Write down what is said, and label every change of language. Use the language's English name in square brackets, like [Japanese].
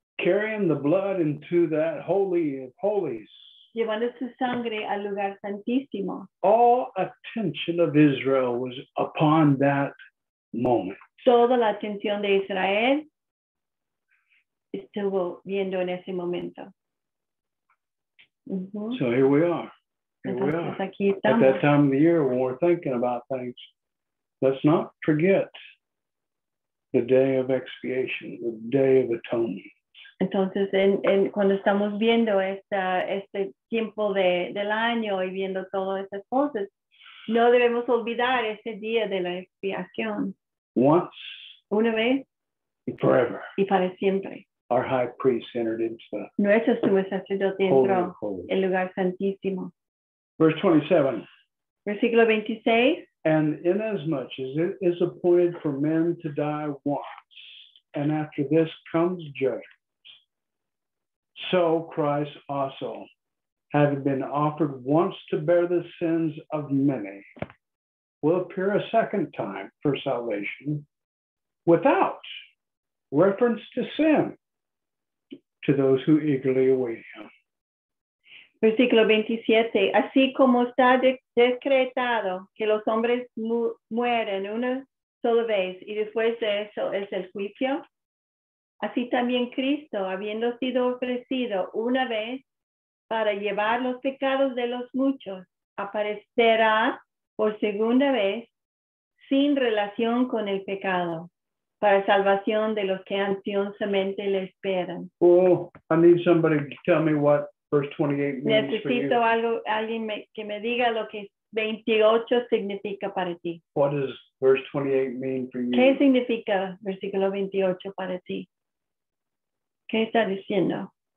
[English] carrying the blood into that holy of holies, [Spanish] llevando su sangre al lugar santísimo, [English] all attention of Israel was upon that moment. [Spanish] Toda la atención de Israel estuvo viendo en ese momento. Mm-hmm. [English] So here we are. [Spanish] Entonces, [English] at that time of the year when we're thinking about things, let's not forget the day of expiation, the day of atonement. [Spanish] Entonces, cuando estamos viendo este tiempo del año y viendo todas esas cosas, no debemos olvidar ese día de la expiación. [English] Once. [Spanish] Una vez. [English] Y forever. [Spanish] Y para siempre. [English] Our high priest entered into the [Spanish] nuestro sumo sacerdote entró el lugar santísimo. [English] Verse 27. [Spanish] Versículo 26. [English] And inasmuch as it is appointed for men to die once, and after this comes judgment, so Christ also, having been offered once to bear the sins of many, will appear a second time for salvation without reference to sin to those who eagerly await him. [Spanish] Versículo 27, así como está decretado que los hombres mueren una sola vez y después de eso es el juicio, así también Cristo, habiendo sido ofrecido una vez para llevar los pecados de los muchos, aparecerá por segunda vez sin relación con el pecado para salvación de los que ansiosamente le esperan. [English] Oh, I need somebody to tell me what verse 28 means. [Spanish] Necesito [English] for you. [Spanish] Algo, alguien que me diga lo que 28 significa para ti. [English] What does verse 28 mean for you? [Spanish] ¿Qué significa versículo 28 para ti? ¿Qué está diciendo?